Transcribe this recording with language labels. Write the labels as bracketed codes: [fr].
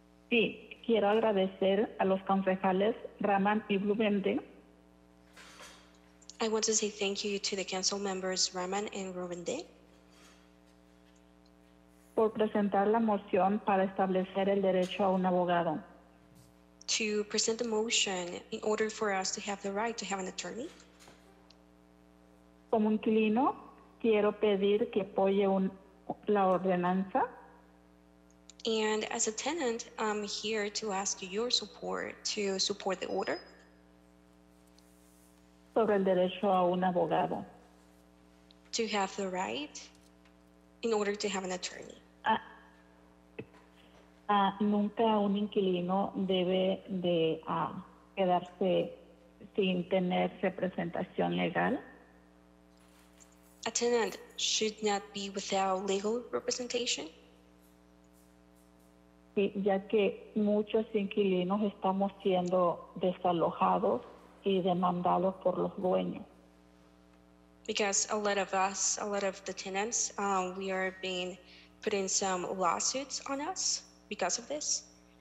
[es] Sí, quiero agradecer a los concejales Raman y Blumenthal. [en] I want to say thank you to the council members Raman and Blumenthal [es] por presentar la moción para establecer el derecho a un abogado. [en] To present the motion in order for us to have the right to have an attorney. [es] Como inquilino, quiero pedir que apoye un la ordenanza. [en] And as a tenant, I'm here to ask your support to support the order. [es] Sobre el derecho a un abogado. [en] To have the right in order to have an attorney. [es] Nunca un inquilino debe de quedarse sin tener representación legal. [en] A tenant should not be without legal representation. [es] Sí, ya que muchos inquilinos estamos siendo desalojados y demandados por los dueños. [en] Because a lot of the tenants, we are being put in some lawsuits on us because of this.